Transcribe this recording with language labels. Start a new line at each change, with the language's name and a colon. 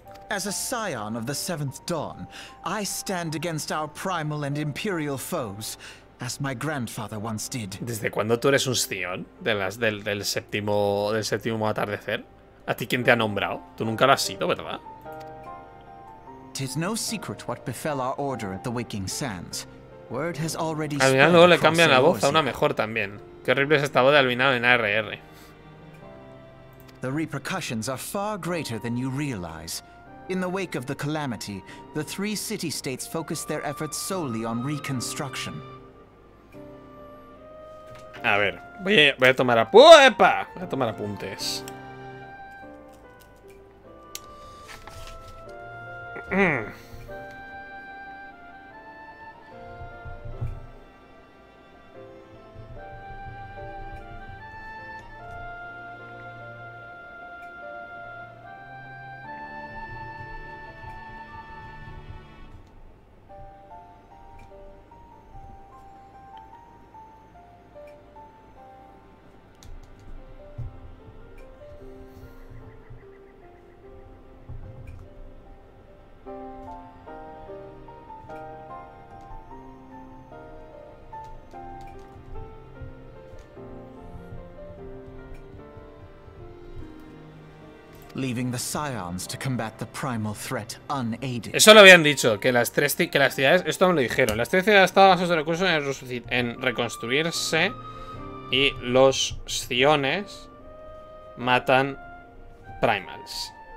English: As a scion of the Seventh Dawn, I stand against our primal and imperial foes, as my grandfather once did.
Spanish: ¿Desde cuándo tú eres un scion del séptimo atardecer? ¿A ti quién te ha nombrado? Tú nunca lo has sido, ¿verdad?
English: Tis no secret what befell our order at the Waking Sands. Word has already spread.
Spanish: Al final luego le cambian la voz a una mejor también. Qué horrible es esta voz de Alvinado en ARR.
English: The repercussions are far greater than you realize. In the wake of the calamity, the 3 city-states focused their efforts solely on reconstruction.
Spanish: A ver, voy a tomar apuepa, voy a tomar apuntes.
English: Thank you. leaving the Scions to combat the primal threat unaided.
Spanish: Eso lo habían dicho, que las tres ciudades, esto me lo dijeron, las tres ciudades estaban a sus recursos en reconstruirse y los Scions matan Primals.